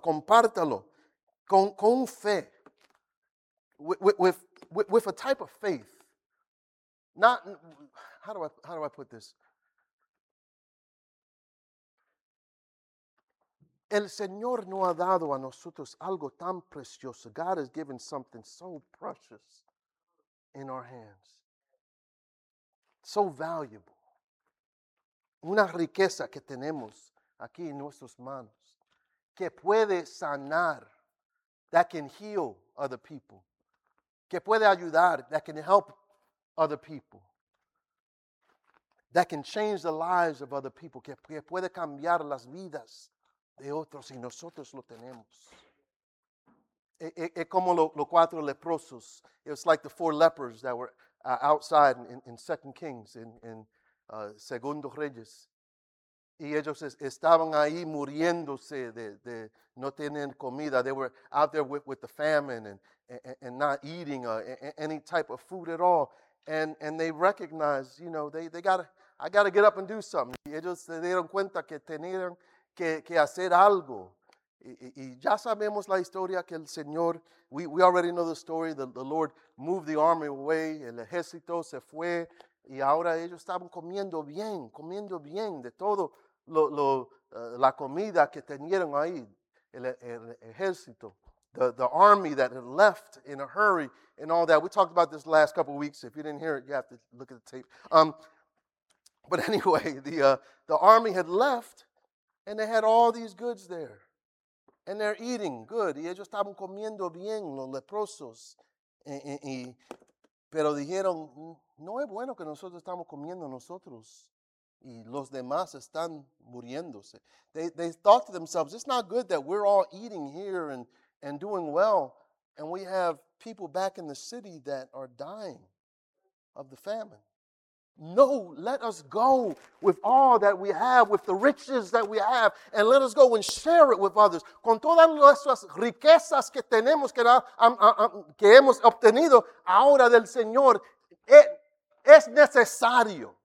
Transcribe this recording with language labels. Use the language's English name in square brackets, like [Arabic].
[Spanish] Compártalo con fe. [English] With a type of faith. Not, how do I put this? [Spanish] El Señor no ha dado a nosotros algo tan precioso. [English] God has given something so precious in our hands. So valuable. [Spanish] Una riqueza que tenemos aquí en nuestras manos. Que puede sanar. [English] That can heal other people. [Spanish] Que puede ayudar. [English] That can help other people, that can change the lives of other people, [Spanish] que puede cambiar las vidas de otros, y nosotros lo tenemos. Es como los cuatro leprosos. [English] It's like the four lepers that were outside in 2 Kings, in Segundo Reyes. [Spanish] Y ellos estaban ahí muriéndose de no tener comida. [English] They were out there with the famine and not eating any type of food at all. And they recognize, you know, I gotta get up and do something. [Spanish] Ellos se dieron cuenta que tenían que hacer algo. Y ya sabemos la historia que el Señor, [English] we already know the story. The Lord moved the army away. [Spanish] El ejército se fue. Y ahora ellos estaban comiendo bien de todo la comida que tenían ahí. El ejército. [English] The army that had left in a hurry and all that. We talked about this last couple of weeks. If you didn't hear it, you have to look at the tape. But anyway, the army had left And they had all these goods there. And they're eating good. [Spanish] Y ellos estaban comiendo bien, los leprosos. Pero dijeron, no es bueno que nosotros estamos comiendo nosotros. Y los demás están muriéndose. [English] They thought to themselves, it's not good that we're all eating here and doing well. And we have people back in the city that are dying of the famine. No, let us go with all that we have, with the riches that we have, and let us go and share it with others. [Spanish] Con todas nuestras riquezas que tenemos, que hemos obtenido ahora del Señor, es necesario.